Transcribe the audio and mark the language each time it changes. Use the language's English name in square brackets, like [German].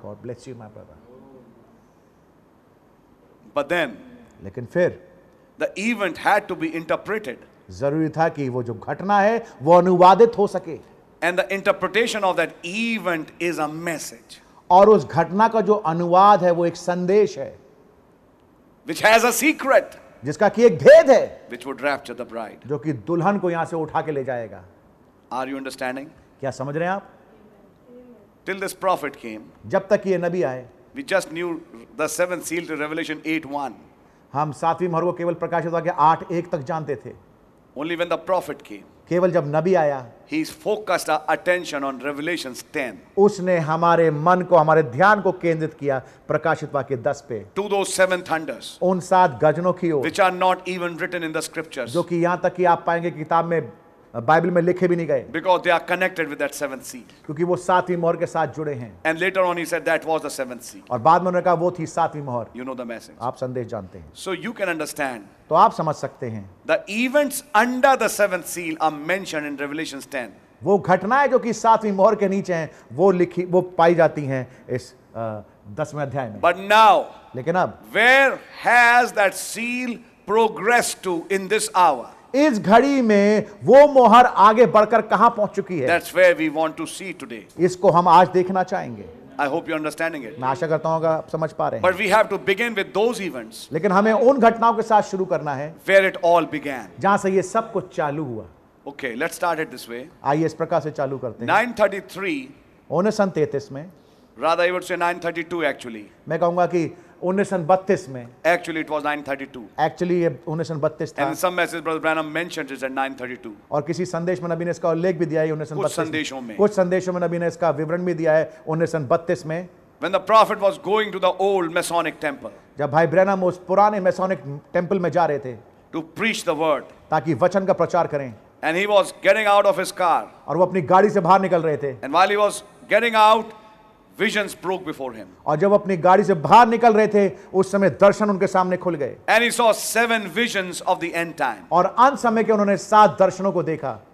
[English] God bless you, my brother. But then, [Hindi] लेकिन फिर, [English] the event had to be interpreted. [Hindi] जरूरी था कि वो जो घटना है, वो अनुवादित हो सके. [English] And the interpretation of that event is a message. [Hindi] और उस घटना का जो अनुवाद है, वो एक संदेश है. [English] Which has a secret. [Hindi] जिसका कि एक भेद है, [English] which would rapture the bride. [Hindi] जो कि दुल्हन को यहां से उठा के ले जाएगा. [English] Are you understanding? [Hindi] क्या समझ रहे हैं आप? [English] Till this prophet came, [Hindi] जब तक ये नबी आए, [English] we just knew the seventh seal to Revelation 8:1. [Hindi] हम सातवीं मोहर को केवल प्रकाशित वाक्य 8:1 तक जानते थे. [English] Only when the prophet came, [Hindi] केवल जब नबी आया, [English] he focused our attention on Revelation 10. [Hindi] उसने हमारे मन को, हमारे ध्यान को केंद्रित किया प्रकाशित वाक्य 10 पे. [English] To those seven thunders, [Hindi] उन सात गजनों की ओर, [English] which are not even written in the scriptures, [Hindi] जो कि यहां तक कि आप पाएंगे किताब में, बाइबल में लिखे भी नहीं गए. [English] Because they are connected with that seventh seal. [Hindi] क्योंकि वो सातवीं मोहर के साथ जुड़े हैं. [English] And later on he said that was the seventh seal. [Hindi] और बाद में उन्होंने कहा वो थी सातवीं मोहर. [English] You know the message. [Hindi] आप संदेश जानते हैं. [English] So you can understand. [Hindi] तो आप समझ सकते हैं. [English] The events under the seventh seal are mentioned in Revelation 10. [Hindi] वो घटनाएं जो कि सातवीं मोहर के नीचे हैं, वो लिखी, वो पाई जाती हैं इस दसवें अध्याय में. [English] But now, [Hindi] लेकिन अब, [English] where has that seal progressed to in this hour? [Hindi] इस घड़ी में वो मोहर आगे बढ़कर कहां पहुंच चुकी है? [English] That's where we want to see today. [Hindi] इसको हम आज देखना चाहेंगे. [English] I hope you're understanding it. [Hindi] मैं आशा करता हूं कि आप समझ पा रहे हैं. [English] But we have to begin with those events. [Hindi] लेकिन हमें उन घटनाओं के साथ शुरू करना है. [English] Where it all began. [Hindi] जहां से ये सब कुछ चालू हुआ. [English] Okay, let's start it this way. [Hindi] आइए इस प्रकार से चालू करते हैं. [English] 933 [Hindi] में. [English] Rather, I would say 932 actually. [Hindi] मैं कहूंगा कि 1932 में. [English] Actually, it was 932. [Hindi] Actually, ये 1932 था. [English] And some messages, Brother Branham mentioned it at 932. [Hindi] और किसी संदेश में नबी ने इसका उल्लेख भी दिया है 1932. कुछ संदेशों में नबी ने इसका विवरण भी दिया है 1932 में. [English] When the prophet was going to the old Masonic temple. [Hindi] जब भाई ब्रैनम उस पुराने मैसोनिक टेम्पल में जा रहे थे. [English] To preach the word. [Hindi] ताकि वचन का प्रचार करें. [English] And he was getting out of his car. [Hindi] और वो अपनी गाड़ी से बाहर निकल रहे थे. [English] And while he was getting out, visions broke before him. [Hindi] और जब अपनी गाड़ी से बाहर निकल रहे थे उस समय दर्शन उनके सामने खुल गए. [English] And he saw seven visions of the end time. [Hindi] और अंत समय के उन्होंने सात दर्शनों को देखा.